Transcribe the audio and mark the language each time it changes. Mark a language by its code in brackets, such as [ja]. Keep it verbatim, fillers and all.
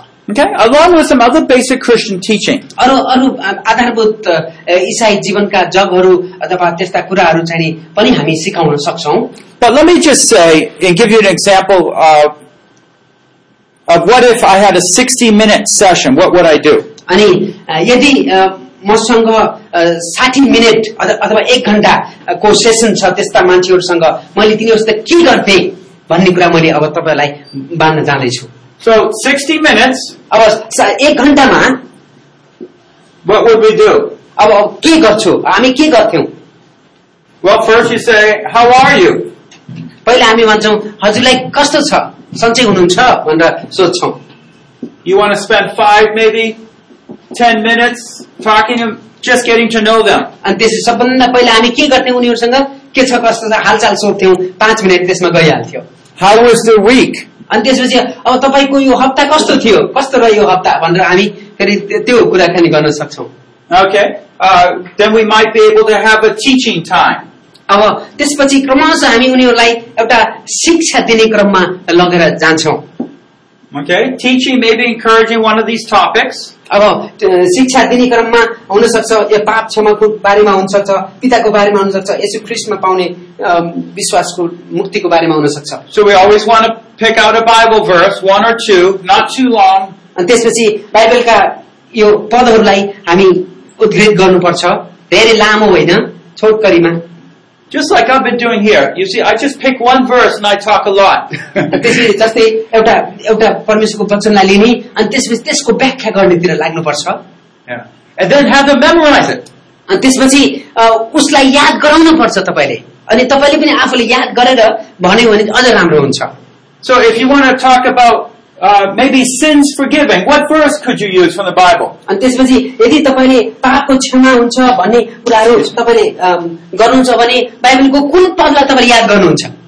[en] Okay, along with some other basic Christian teaching. [ne] अरू अरू आधारभूत ईसाई जीवनका जगहरू अथवा त्यस्ता कुराहरू चाहिँ पनि हामी सिकाउन सक्छौं। [en] But let me just say and give you an example of, of what if I had a sixty minute session, what would I do? [ne] अनि यदि मसँग साठी मिनट अथवा एक घण्टा को सेसन छ त्यस्ता मान्छेहरूसँग मैले तिनीहरूसँग के गर्थे भन्ने कुरा मैले अब तपाईलाई बाँड्न जाँदैछु। [en] So sixty minutes, [ne] अब एक घण्टामा [en] what would we do? [ne] अब के गर्छु, हामी के गर्थ्यौं? [en] Well, first you say, how are you? [ne] पहिला हामी भन्छौँ हजुरलाई कस्तो छ, सन्चै हुनुहुन्छ भनेर सोध्छौँ। [en] You want to spend five maybe ten minutes talking, just getting to know them. [ne] अनि त्यसै सबभन्दा पहिला हामी के गर्थे उनीहरूसँग के छ कस्तो छ हालचाल सोध्थ्यौँ, पाँच मिनट त्यसमा गइहाल्थ्यो। [en] How was the week? [ne] अनि त्यसपछि अब तपाईँको यो हप्ता कस्तो थियो, कस्तो रह्यो हप्ता भनेर हामी फेरि त्यो कुराकानी गर्न सक्छौँ। [en] Okay. Uh, then we might be able to have a teaching time. [ne] अब त्यसपछि क्रमशः हामी उनीहरूलाई एउटा शिक्षा दिने क्रममा लगेर जान्छौँ। [en] Okay. Teaching may be encouraging one of these topics. [ne] अब शिक्षा दिने क्रममा हुन सक्छ यो पाप क्षमाको बारेमा हुन सक्छ, पिताको बारेमा हुन सक्छ, येशू ख्रीष्टमा पाउने विश्वासको मुक्तिको बारेमा हुन सक्छ। [en] So we always want to pick out a Bible verse, one or two, not too long. [ne] अनि त्यसपछि बाइबलका यो पदहरूलाई हामी उद्धृत गर्नुपर्छ, धेरै लामो होइन, छोटकरीमा। [en] Just like I've been doing here. You see, I just pick one verse and I talk a lot. [ne] त्यसै जस्तै एउटा एउटा परमेश्वरको वचनलाई लिने अनि त्यसपछि त्यसको व्याख्या गर्नेतिर लाग्नुपर्छ। [en] Yeah. And then have them memorize it. [ne] अनि त्यसपछि उसलाई याद गराउनु पर्छ तपाईले। अनि तपाईले पनि आफूले याद गरेर भन्यो भने अझ राम्रो हुन्छ। [en] So if you want to talk about uh maybe sins forgiving, what verse could you use from the Bible? [ne] अनि त्यसपछि यदि तपाईले पापको क्षमा हुन्छ भन्ने कुराहरु तपाईले गर्नुहुन्छ भने बाइबलको कुन पदलाई तपाईले याद गर्नुहुन्छ?